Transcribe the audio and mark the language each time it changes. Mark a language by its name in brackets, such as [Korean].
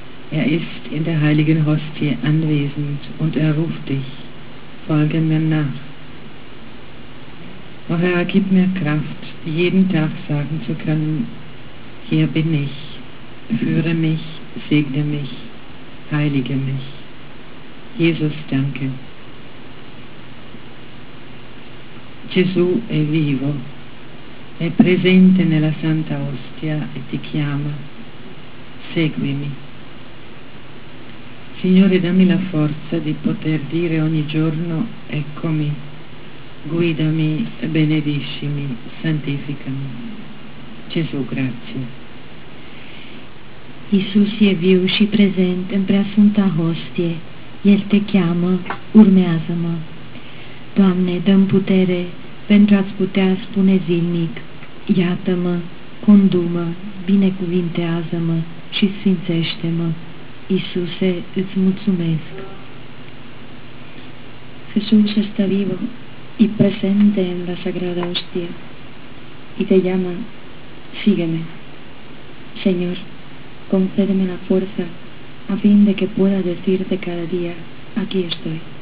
[German] Er ist in der Heiligen Hostie anwesend und er ruft dich: folge mir nach. O Herr, gib mir Kraft, jeden Tag sagen zu können: hier bin ich, führe mich, segne mich, heilige mich. Jesus, danke. [Italian] Gesù è vivo, è presente nella Santa Ostia e ti chiama: seguimi. Signore, dammi la forza di poter dire ogni giorno: eccomi, guidami, benediscimi, santificami. Gesù, grazie. [Romanian] Isus je viu și prezent în preasfânta hostie. El te cheamă, urmează-mă. Doamne, dă-mi putere pentru a-ți putea spune zilnic: iată-mă, condu-mă, binecuvintează-mă și sfințește-mă. Isuse, îți mulțumesc. [Spanish] Jesus está vivo y presente en la Sagrada Hostia y te llama: sígueme. Señor, concédeme la fuerza a fin de que pueda decirte cada día: aquí estoy.